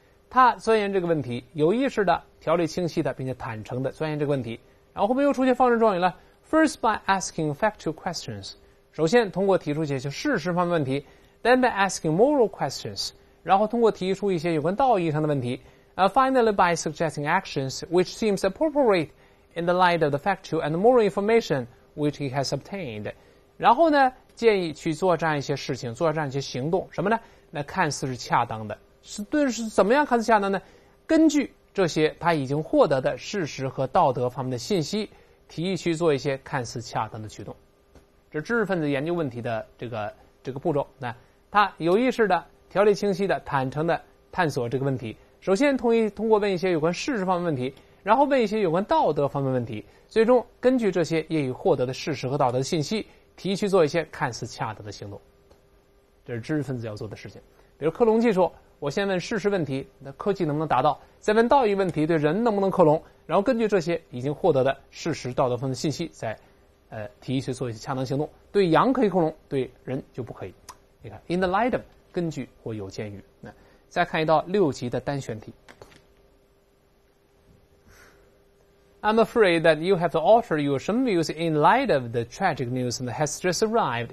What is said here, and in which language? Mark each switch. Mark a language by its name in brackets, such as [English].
[Chinese] 他钻研这个问题，有意识的、条理清晰的，并且坦诚的钻研这个问题。然后后面又出现放任状语了。 [English] First by asking factual questions. [Chinese] 首先通过提出一些事实方面问题。 [English] Then by asking moral questions. [Chinese] 然后通过提出一些有关道义上的问题。 [English] Finally by suggesting actions which seems appropriate in the light of the factual and moral information which he has obtained. [Chinese] 然后呢建议去做这样一些事情，做这样一些行动，什么呢？那看似是恰当的，是怎么样看似恰当呢？根据这些他已经获得的事实和道德方面的信息，提议去做一些看似恰当的举动。这知识分子研究问题的这个步骤，那他有意识的、条理清晰的、坦诚的探索这个问题。首先通过问一些有关事实方面问题，然后问一些有关道德方面问题，最终根据这些业已获得的事实和道德的信息，提议去做一些看似恰当的行动。这是知识分子要做的事情。比如克隆技术，我先问事实问题，那科技能不能达到，再问道义问题，对人能不能克隆，然后根据这些已经获得的事实道德方面的信息，再提议去做一些恰当行动。对羊可以克隆，对人就不可以。你看 in the light of, 根据或有鉴于。再看一道六级的单选题。 [English] I'm afraid that you have to alter your some views in light of the tragic news that has just arrived.